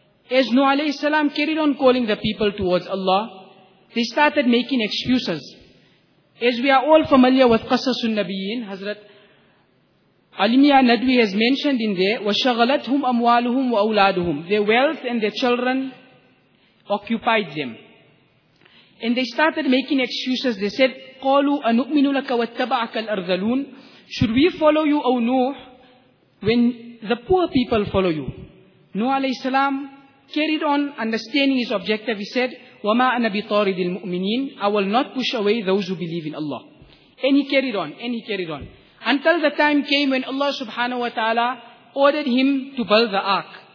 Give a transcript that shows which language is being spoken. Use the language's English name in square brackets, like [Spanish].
[English] As Nuh alayhi salam carried on calling the people towards Allah, they started making excuses. As we are all familiar with Qasasun Nabiyyin, Hazrat Alimiya Nadwi has mentioned in there, [Arabic] وَشَغَلَتْهُمْ أَمْوَالُهُمْ وَأَوْلَادُهُمْ. [English] Their wealth and their children occupied them. And they started making excuses. They said, [Arabic] قَالُوا أَنُؤْمِنُ لَكَ وَاتَّبَعَكَ الْأَرْذَلُونَ. [English] Should we follow you, O Nuh, when the poor people follow you? Nuh alayhi salam carried on understanding his objective. He said, [Arabic] وَمَا أَنَا بِطَارِدِ الْمُؤْمِنِينَ. [English] I will not push away those who believe in Allah. And he carried on, and he carried on. Until the time came when Allah subhanahu wa ta'ala ordered him to build the ark.